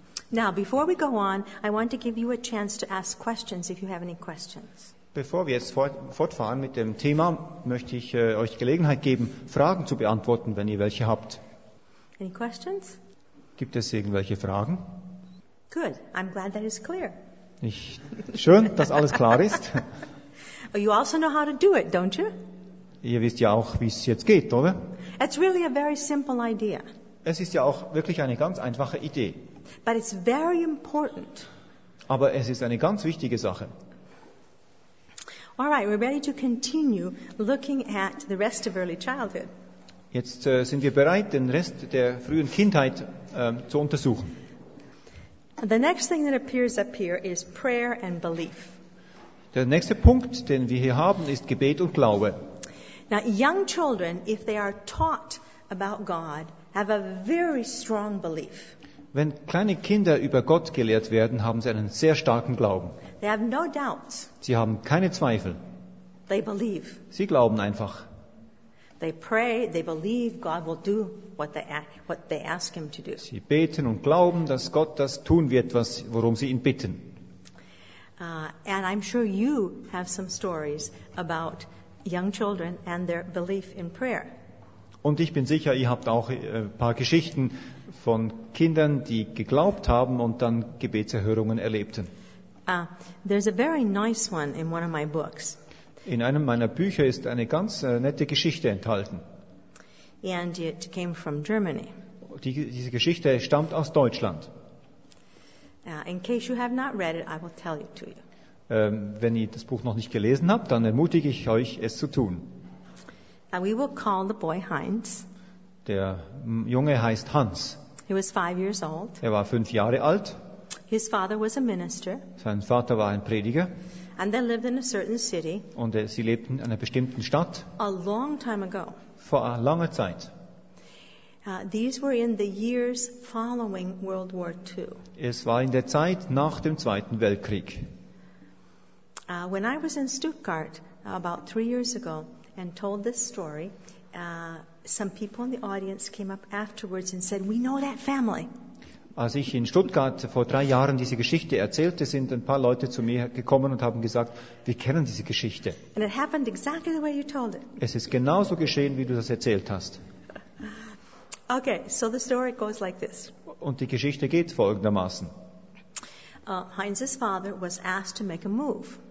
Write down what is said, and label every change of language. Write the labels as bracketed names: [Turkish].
[English] Now, before we go on, I want to give you a chance to ask questions, if you have any questions. [German] Bevor wir jetzt fortfahren mit dem Thema, möchte ich euch Gelegenheit geben, Fragen zu beantworten, wenn ihr welche habt. [English] Any questions? [German] Gibt es irgendwelche Fragen? [English] Good. I'm glad that is clear. [German] Schön, dass alles klar ist. [English] You also know how to do it, don't you? [German] Ihr wisst ja auch, wie es jetzt geht, oder? [English] It's really a very simple idea. [German] Es ist ja auch wirklich eine ganz einfache Idee. [English] But it's very important. [German] Aber es ist eine ganz wichtige Sache. [English] All right, we're ready to continue looking at the rest of early childhood. [German] Jetzt sind wir bereit, den Rest der frühen Kindheit zu untersuchen. [English] The next thing that appears up here is prayer and belief. [German] Der nächste Punkt, den wir hier haben, ist Gebet und Glaube. [English] Now, young children, if they are taught about God, have a very strong belief. [German] Wenn kleine Kinder über Gott gelehrt werden, haben sie einen sehr starken Glauben. [English] They have no doubts. [German] Sie haben keine Zweifel. [English] They believe. [German] Sie glauben einfach. [English] They pray, they believe God will do what they ask him to do. [German] Sie beten und glauben, dass Gott das tun wird, was worum sie ihn bitten. [English] And I'm sure you have some stories about young children and their belief in prayer. [German] Und ich bin sicher, ihr habt auch ein paar Geschichten von Kindern, die geglaubt haben und dann Gebetserhörungen erlebten. [English] There's a very nice one in one of my books. [German] In einem meiner Bücher ist eine ganz nette Geschichte enthalten. [English] And it came from Germany. [German] Diese Geschichte stammt aus Deutschland. [English] In case you have not read it, I will tell it to you. [German] Wenn ihr das Buch noch nicht gelesen habt, dann ermutige ich euch, es zu tun. [English] We will call the boy Heinz. [German] Der Junge heißt Hans. [English] He was 5 years old. [German] Er war 5 Jahre alt. [English] His father was a minister. [German] Sein Vater war ein Prediger. [English] And they lived in a certain city. [German] Und sie lebten in einer bestimmten Stadt. [English] A long time ago. [German] Vor langer Zeit. [English] These were in the years following World War II. [German] Es war in der Zeit nach dem Zweiten Weltkrieg. [English] When I was in Stuttgart about 3 years ago and told this story, some people in the audience came up afterwards and said, "We know that family." [German] Als ich in Stuttgart vor 3 Jahren diese Geschichte erzählte, sind ein paar Leute zu mir gekommen und haben gesagt, wir kennen diese Geschichte. [English] And it happened exactly the way you told it. [German] Es ist genauso geschehen, wie du das erzählt hast. [English] Okay, so the story goes like this. [German] Und die Geschichte geht folgendermaßen. [English] Heinz's father was asked to make a move.